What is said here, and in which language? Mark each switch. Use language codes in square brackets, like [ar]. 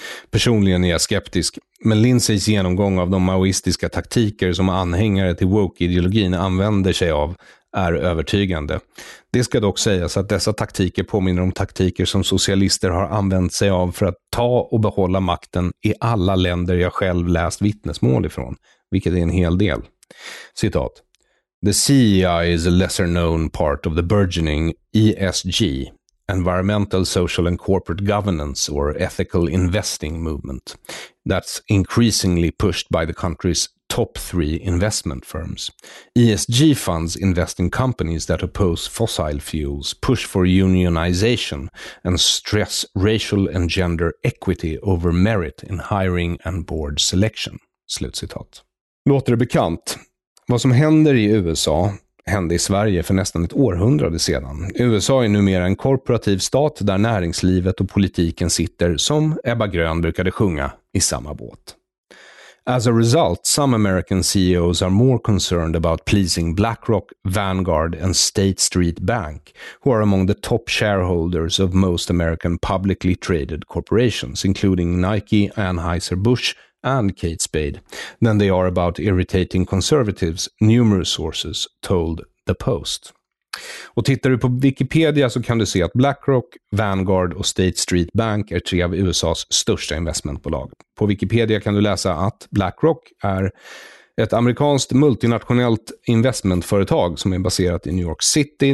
[sv] Personligen är jag skeptisk, men Lindsays genomgång av de maoistiska taktiker som anhängare till woke-ideologin använder sig av är övertygande. Det ska dock sägas att dessa taktiker påminner om taktiker som socialister har använt sig av för att ta och behålla makten i alla länder jag själv läst vittnesmål ifrån, vilket är en hel del. Citat. [en] The CEI is a lesser known part of the burgeoning ESG, Environmental, Social and Corporate Governance or Ethical Investing movement, that's increasingly pushed by the country's top three investment firms. ESG funds invest in companies that oppose fossil fuels, push for unionization, and stress racial and gender equity over merit in hiring and board selection. [sv] Slutcitat. Låter det bekant? Vad som händer i USA hände i Sverige för nästan ett århundrade sedan. USA är numera en korporativ stat där näringslivet och politiken sitter, som Ebba Grön brukade sjunga, i samma båt. [en] As a result, some American CEOs are more concerned about pleasing BlackRock, Vanguard and State Street Bank, who are among the top shareholders of most American publicly traded corporations, including Nike, Anheuser-Busch and Kate Spade, than they are about irritating conservatives, numerous sources told The Post. [sv] Och tittar du på Wikipedia så kan du se att BlackRock, Vanguard och State Street Bank är tre av USAs största investmentbolag. På Wikipedia kan du läsa att BlackRock är ett amerikanskt multinationellt investmentföretag som är baserat i New York City.